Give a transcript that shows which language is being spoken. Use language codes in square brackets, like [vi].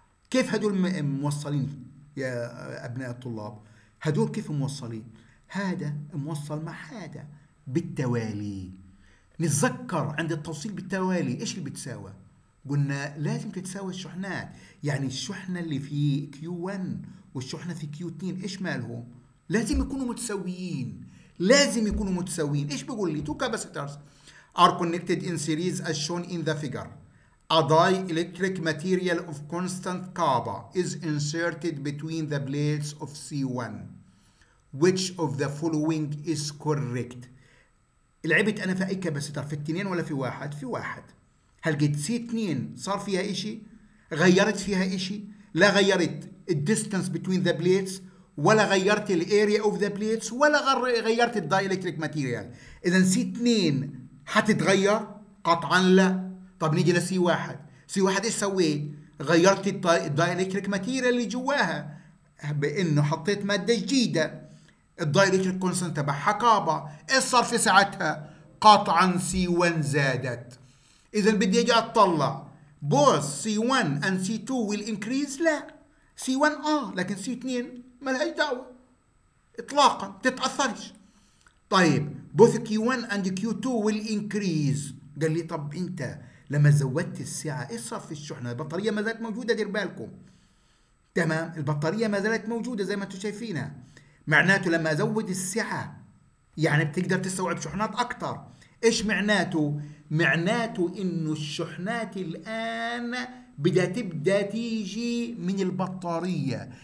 [ar] كيف هدول موصلين يا ابناء الطلاب؟ هدول كيف موصلين؟ هذا موصل مع هذا بالتوالي. نتذكر عند التوصيل بالتوالي ايش اللي بتساوى؟ قلنا لازم تتساوي الشحنات، يعني الشحنة اللي في Q1 والشحنة في Q2 إيش مالهم؟ لازم يكونوا متساويين، لازم يكونوا متساويين. إيش بقول لي؟ [en] Two capacitors are connected in series as shown in the figure. A dielectric material of constant kappa is inserted between the plates of C1. Which of the following is correct؟ [ar] لعبت أنا في أي capacitor؟ في التنين ولا في واحد؟ في واحد. هل قد C2 صار فيها إشي؟ غيرت فيها إشي؟ لا غيرت distance between the plates، ولا غيرت area of the plates، ولا غيرت dielectric material. إذن C2 حتتغير؟ قطعا لا. طب نيجي لسي واحد، سي واحد إيش سويت؟ غيرت dielectric material اللي جواها بإنه حطيت مادة جديدة، dielectric constant تبع حكابة. إيش صار في ساعتها؟ قطعا C1 زادت. إذا بدي أجي أطلع [en] both C1 and C2 will increase؟ [ar] لا، C1 لكن C2 ما لهاش دعوة إطلاقا، تتأثرش. [en] طيب both Q1 and Q2 will increase. [ar] قال لي طب أنت لما زودت السعة إيه صار في الشحنة؟ البطارية ما زالت موجودة، دير بالكم. تمام، البطارية ما زالت موجودة زي ما أنتوا شايفينها، معناته لما أزود السعة يعني بتقدر تستوعب شحنات أكتر. إيش معناته؟ معناته إنه الشحنات الآن بدأ تبدأ تيجي من البطارية.